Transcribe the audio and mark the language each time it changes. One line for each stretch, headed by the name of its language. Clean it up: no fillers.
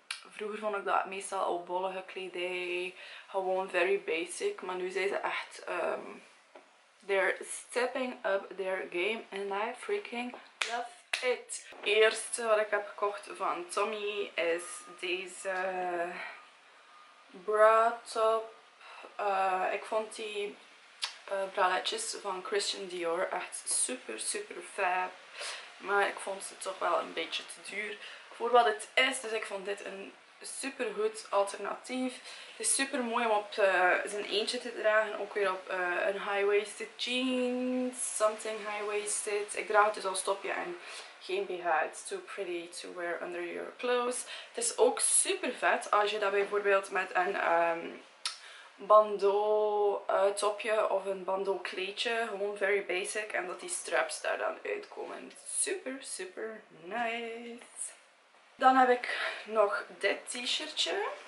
Dutch: Vroeger vond ik dat meestal al bollige kledij, gewoon
English: very basic,
Dutch: maar nu zijn ze echt...
English: They're stepping up their game and I freaking love it.
Dutch: Eerste wat ik heb gekocht van Tommy is deze bra top. Ik vond die braletjes van Christian Dior echt super super fab. Maar ik vond ze toch wel een beetje te duur voor wat het is. Dus ik vond dit een super goed alternatief. Het is super mooi om op zijn eentje te dragen. Ook weer op een high-waisted jeans.
English: Something high-waisted.
Dutch: Ik draag het dus als topje en geen BH.
English: It's too pretty to wear under your clothes.
Dutch: Het is ook super vet als je dat bijvoorbeeld met een bandeau topje of een bandeau kleedje. Gewoon
English: very basic.
Dutch: En dat die straps daar dan uitkomen.
English: Super, super nice.
Dutch: Dan heb ik nog dit t-shirtje.